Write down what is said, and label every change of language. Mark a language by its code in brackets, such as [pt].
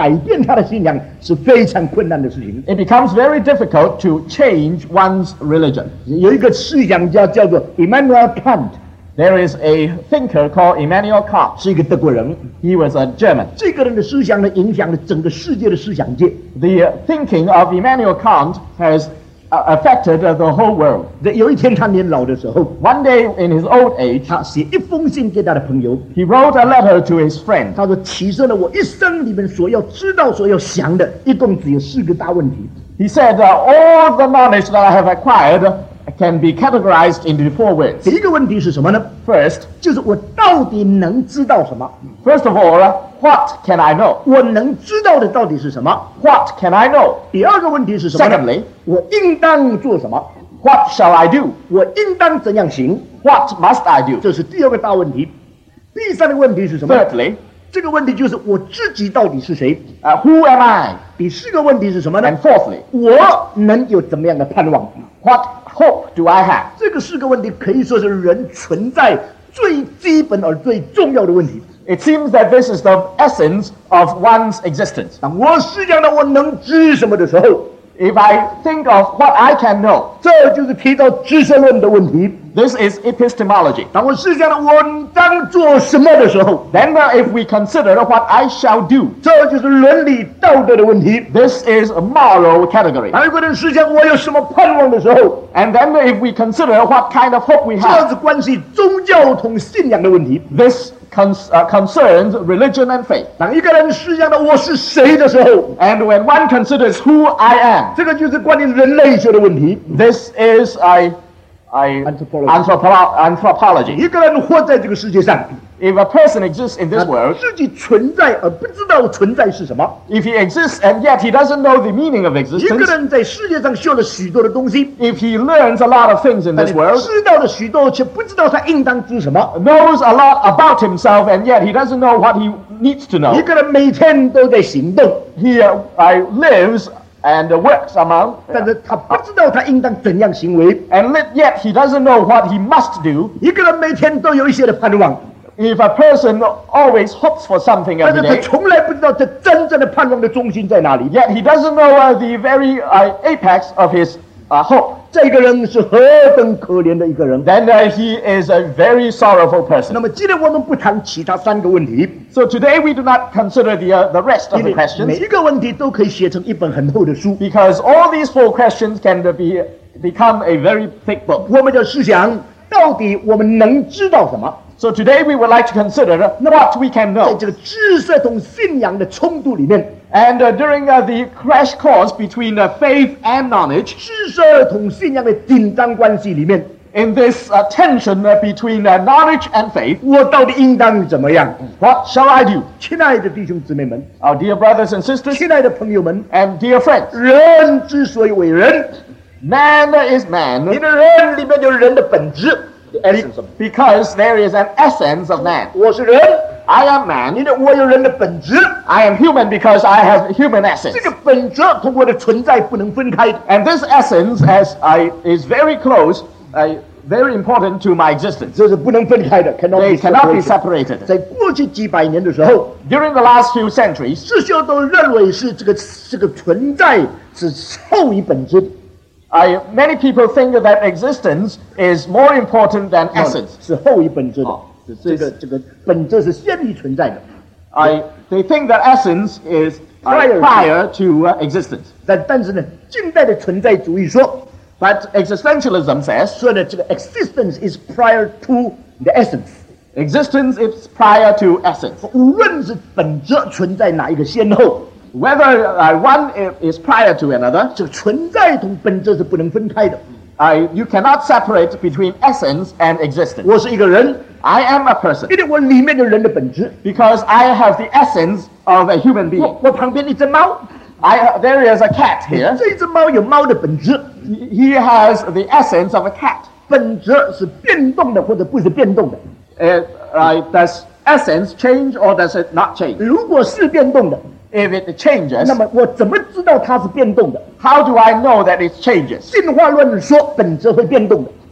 [zh] 所以呢，你把一个已经有了信仰的人再改变他的信仰，是非常困难的事情。 [en] It becomes very difficult to change one's religion. [zh] 有一个思想家叫做 Immanuel Kant. [en] There is a thinker called Immanuel Kant. [zh] 是一个德国人。 [en] He was a German. [zh] 这个人的思想呢，影响了整个世界的思想界。 [en] The thinking of Immanuel Kant has affected the whole world. [zh] 有一天他年老的时候, [en] one day in his old age, [zh] 他写一封信给他的朋友, [en] he wrote a letter to his friend. [zh] 他说,其实呢,我一生里面所要知道,所要想的,一共只有四个大问题。 [en] He said, all the knowledge that I have acquired can be categorized into four words. [zh] 第一个问题是什么呢? [en] First, [zh] 就是我到底能知道什么? [en] First of all, what can I know? [zh] 我能知道的到底是什么? [en] What can I know? [zh] 第二个问题是什么呢? [en] Secondly, [zh] 我应当做什么? [en] What shall I do? [zh] 我应当怎样行? [en] What must I do? [zh] 这是第二个大问题。第三个问题是什么? [en] Thirdly, [zh] 这个问题就是我自己到底是谁? [en] Who am I? [zh] 第四个问题是什么呢? [en] And fourthly, [zh] 我能有怎么样的盼望? [en] What hope do I have? [zh] 这个四个问题可以说是人存在最基本而最重要的问题。 [en] It seems that this is the essence of one's existence. [zh] 当我思想到我能知什么的时候, [en] if I think of what I can know, [zh] 这就是提到知识论的问题。 [en] This is epistemology. [zh] 当我思想到我当做什么的时候, [en] then if we consider what I shall do, [zh] 这就是伦理道德的问题。 [en] This is a moral category. [zh] 当一个人思想我有什么盼望的时候, [en] and then if we consider what kind of hope we have, [zh] 这是关系宗教同信仰的问题。 [en] This concerns religion and faith. [zh] 当一个人思想到我是谁的时候, [en] and when one considers who I am, [zh] 这个就是关于人类学的问题。 [en] This is [zh] anthropology. 一个人活在这个世界上, [en] If a person exists in this world, [zh] 自己存在而不知道存在是什么。 [en] If he exists and yet he doesn't know the meaning of existence, [zh] 一个人在世界上学了许多的东西。 [en] If he learns a lot of things in this world, [zh] 知道了许多却不知道他应当做什么。 [en] Knows a lot about himself and yet he doesn't know what he needs to know. [zh] 一个人每天都在行动。 [en] He lives. And works among, [zh] 但是他不知道他应当怎样行为。 [en] And yet he doesn't know what he must do. [zh] 一个人每天都有一些的盼望。 [en] If a person always hopes for something every day, [zh] 但是他从来不知道这真正的盼望的中心在哪里。 [en] Yet he doesn't know the very apex of his hope. [zh] 这个人是何等可怜的一个人。 [en] Then he is a very sorrowful person. [zh] 那么今天我们不谈其他三个问题。 [en] So today we do not consider the rest of the questions. [zh] 每一个问题都可以写成一本很厚的书。 [en] Because all these four questions can become a very thick book. [zh] 我们就试想，到底我们能知道什么？ [en] So today we would like to consider what we can know. [zh] 在这个知识同信仰的冲突里面。 [en] And during the crash course between faith and knowledge. [zh] 知识同信仰的紧张关系里面。 [en] In this tension between knowledge and faith. [zh] 我到底应当怎么样？ [en] What shall I do? [zh] 亲爱的弟兄姊妹们。 [en] Our dear brothers and sisters. [zh] 亲爱的朋友们。 [en] And dear friends. [zh] 人之所以为人。 [en] Man is man. [zh] 因为人里面有人的本质。 [en] Because there is an essence of man. [zh] 我是人。 [en] I am man. [zh] 因为我有人的本质。 [en] I am human because I have human essence. [zh] 这个本质同我的存在不能分开。 [en] And this essence is very close, very important to my existence. [zh] 这是不能分开的。 [en] Cannot They cannot be separated. [zh] 在过去几百年的时候。 [en] During the last few centuries. [zh] 世修都认为是这个存在是超于本质。 [en] Many people think that existence is more important than essence. [zh] 是后于本质的，这个本质是先于存在的。 [en] They think that essence is prior to existence. [zh] 但是呢，近代的存在主义说 [en] ，But existentialism says [zh] 说呢，这个 [en] existence is prior to the essence. Existence is prior to essence. [zh] 无论是本质存在哪一个先后。 [en] Whether one is prior to another, [zh] 这个存在同本质是不能分开的。 [en] You cannot separate between essence and existence. [zh] 我是一个人。 [en] I am a person. [zh] 因为我里面的人的本质。 [en] Because I have the essence of a human being. [zh] 我旁边一只猫。 [en] There is a cat here. [zh] 这一只猫有猫的本质。 [en] He has the essence of a cat. [zh] 本质是变动的或者不是变动的。 [en] Does essence change or does it not change? [zh] 如果是变动的。 [en] If it changes, [zh] 那么我怎么知道它是变动的？ [en] How do I know that it changes? [zh] 进化论说本质会变动的。